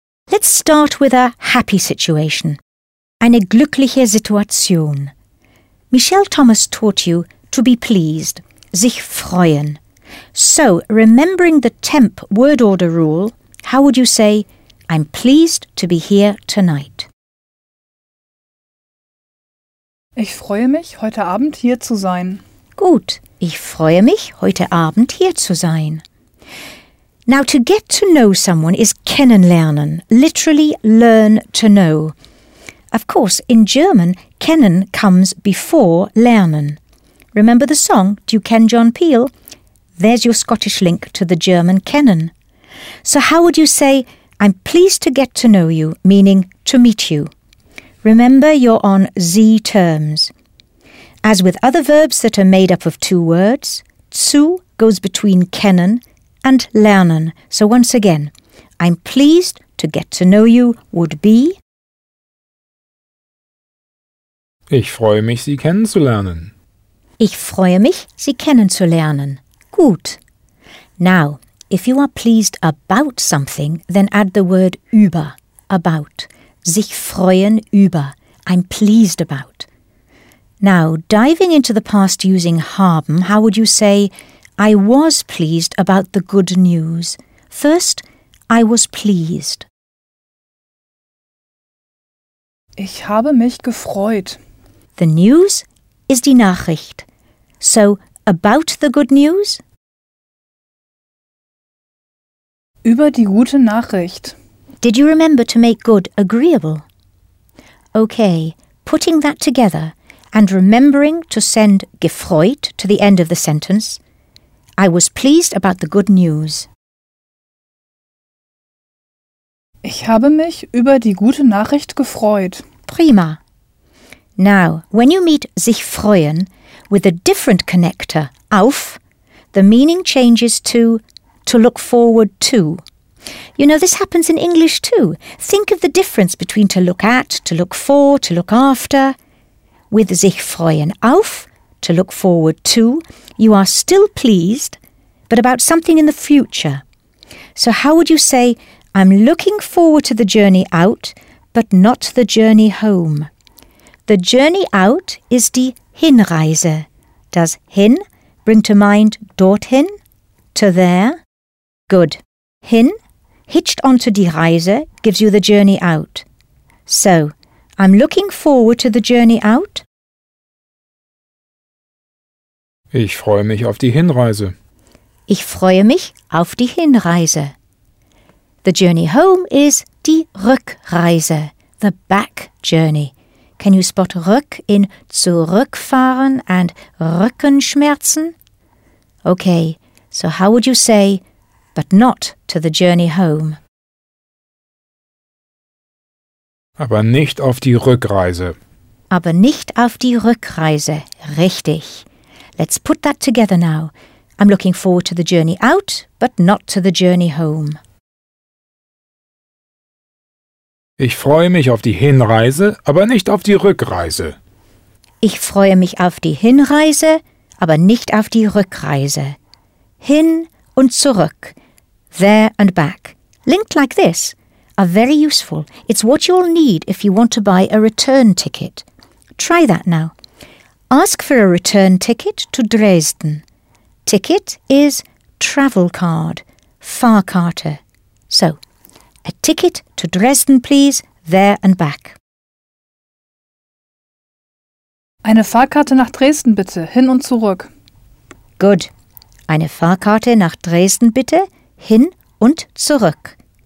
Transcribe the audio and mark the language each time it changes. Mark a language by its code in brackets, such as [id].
[en] Let's start with a happy situation. [de] Eine glückliche Situation. [en] Michelle Thomas taught you to be pleased, sich freuen. So, remembering the temp word order rule, how would you say, I'm pleased to be here tonight? [de] Ich freue mich, heute Abend hier zu sein. Gut, ich freue mich, heute Abend hier zu sein. [en] Now, to get to know someone is kennenlernen, literally learn to know. Of course, in German, kennen comes before lernen. Remember the song, Do You Ken John Peel? There's your Scottish link to the German kennen. So how would you say, I'm pleased to get to know you, meaning to meet you? Remember, you're on Z terms. As with other verbs that are made up of two words, zu goes between kennen and lernen. So once again, I'm pleased to get to know you would be... [de] Ich freue mich, Sie kennenzulernen. Ich freue mich, Sie kennenzulernen. [en] Gut. Now, if you are pleased about something, then add the word über, about. Sich freuen über. I'm pleased about. Now, diving into the past using haben, how would you say, I was pleased about the good news? First, I was pleased. [de] Ich habe mich gefreut. [en] The news is die Nachricht. So, about the good news? [de] Über die gute Nachricht. [en] Did you remember to make good agreeable? Okay, putting that together and remembering to send gefreut to the end of the sentence, I was pleased about the good news. [de] Ich habe mich über die gute Nachricht gefreut. [en] Prima. Now, when you meet sich freuen with a different connector, auf, the meaning changes to look forward to. You know, this happens in English too. Think of the difference between to look at, to look for, to look after. With sich freuen auf, to look forward to, you are still pleased, but about something in the future. So how would you say, I'm looking forward to the journey out, but not the journey home? The journey out is die Hinreise. Does hin bring to mind dorthin? To there? Good. Hin, hitched onto die Reise, gives you the journey out. So, I'm looking forward to the journey out. [de] Ich freue mich auf die Hinreise. Ich freue mich auf die Hinreise. [en] The journey home is die Rückreise, the back journey. Can you spot rück in zurückfahren and Rückenschmerzen? Okay, so how would you say, but not to the journey home? [de] Aber nicht auf die Rückreise. Aber nicht auf die Rückreise, richtig. [en] Let's put that together now. I'm looking forward to the journey out, but not to the journey home. [de] Ich freue mich auf die Hinreise, aber nicht auf die Rückreise. Ich freue mich auf die Hinreise, aber nicht auf die Rückreise. Hin und zurück. [en] There and back. Linked like this. Are very useful. It's what you'll need if you want to buy a return ticket. Try that now. Ask for a return ticket to Dresden. Ticket is travel card. Fahrkarte. So, a ticket to Dresden, please, there and back. [de] Eine Fahrkarte nach Dresden, bitte, hin und zurück. [en] Good. [de] Eine Fahrkarte nach Dresden, bitte, hin und zurück.